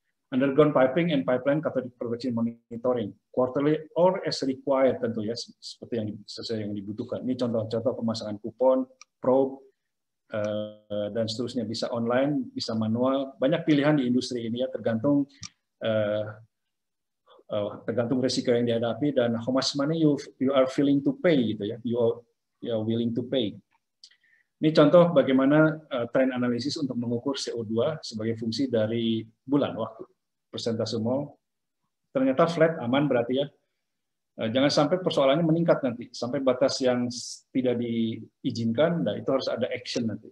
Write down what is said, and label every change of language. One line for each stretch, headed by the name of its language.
English: Underground piping and pipeline cathodic protection monitoring quarterly or as required
Indonesian: tentu ya seperti yang sesuai yang dibutuhkan. Ini contoh-contoh pemasangan kupon, probe dan seterusnya bisa online, bisa manual. Banyak pilihan di industri ini ya tergantung. Tergantung risiko yang dihadapi dan
English: how much money you are willing to pay
Indonesian: gitu ya,
English: you are willing to pay.
Indonesian: Ini contoh bagaimana trend analisis untuk mengukur CO2 sebagai fungsi dari bulan waktu persentase mol. Ternyata flat aman berarti ya. Jangan sampai persoalannya meningkat nanti sampai batas yang tidak diizinkan, nah itu harus ada action nanti.